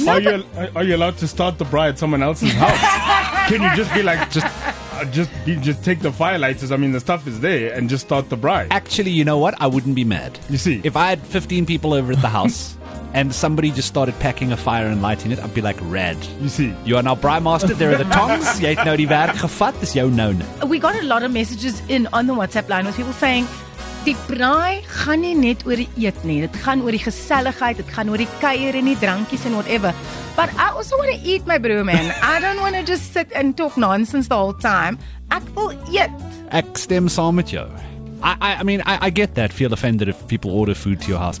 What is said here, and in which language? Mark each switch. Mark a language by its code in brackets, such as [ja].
[en] No, are you allowed to start the braai at someone else's house? Can you just be like, just take the fire lighters? I mean, the stuff is there, and just start the braai. Actually, you know what? I wouldn't be mad. You see, if I had 15 people over at the house and somebody just started packing a fire and lighting it, I'd be like, rad. You see, you are now braai master. There are the tongs. [af] Jy het nou die werk gevat. Dis jou nou. [en] We got a lot of messages in on the WhatsApp line with people saying, [af] die braai gaan nie net oor die eet nie. Dit gaan oor die geselligheid. Dit gaan oor die kuier en die drankies en whatever. [en] But I also want to eat, my bro, man. I don't want to just sit and talk nonsense the whole time. [af] Ek wil eet. Ek stem saam met jou. [en] I get that. Feel offended if people order food to your house.